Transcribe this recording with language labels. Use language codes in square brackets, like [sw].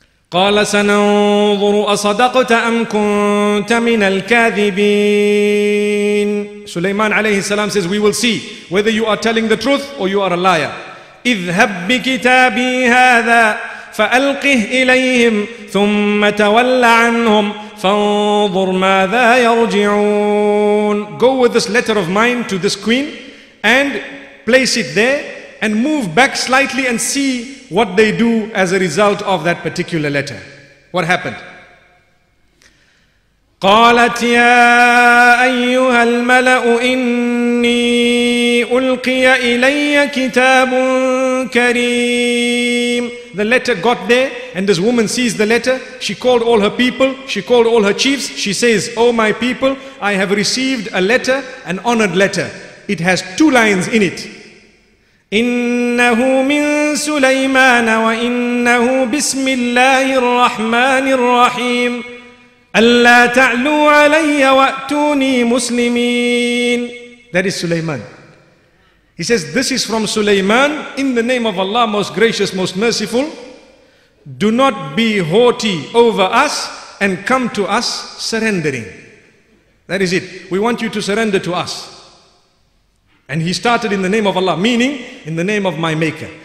[ar] قال سننظر أصدقت أم كنت من الكاذبين. [en] سليمان عليه السلام says, we will see whether you are telling the truth or you are a liar. [ar] اذهب بكتابي هذا فألقه إليهم ثم تول عنهم فانظر ماذا يرجعون. [en] Go with this letter of mine to this queen and place it there and move back slightly and see what they do as a result of that particular letter. What happened? [ar] قالت يا أيها الملأ إني ألقي إلي كتاب كريم. [en] The letter got there and this woman sees the letter. She called all her people, she called all her chiefs. She says, oh my people, I have received a letter, an honored letter. It has two lines in it. [ar] إنه من سليمان وإنه بسم الله الرحمن الرحيم ألا تعلوا علي وأتوني مسلمين. [en] That is Suleyman. He says, this is from Suleyman. In the name of Allah, most gracious, most merciful, do not be haughty over us and come to us surrendering. That is it. We want you to surrender to us. And he started in the name of Allah, meaning in the name of my maker.